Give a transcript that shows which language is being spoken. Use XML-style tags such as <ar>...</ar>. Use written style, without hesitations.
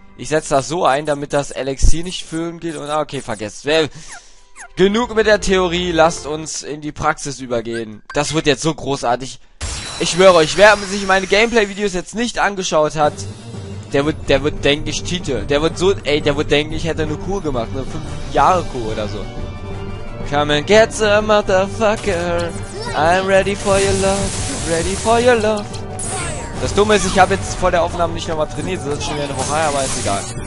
<de>Ich setze das so ein, damit das Elixier nicht füllen geht. Und okay, vergesst. Genug mit der Theorie. Lasst uns in die Praxis übergehen. Das wird jetzt so großartig. Ich schwöre euch, wer sich meine Gameplay-Videos jetzt nicht angeschaut hat, der wird denken, ich cheate. Der wird denken, ich hätte eine Kur gemacht. Eine 5-Jahre-Kur oder so.</de> <en>Come and get some motherfucker. I'm ready for your love. Ready for your love.</en> <de>Das Dumme ist, ich habe jetzt vor der Aufnahme nicht nochmal trainiert. Das ist schon wieder eine Woche, aber ist egal.</de>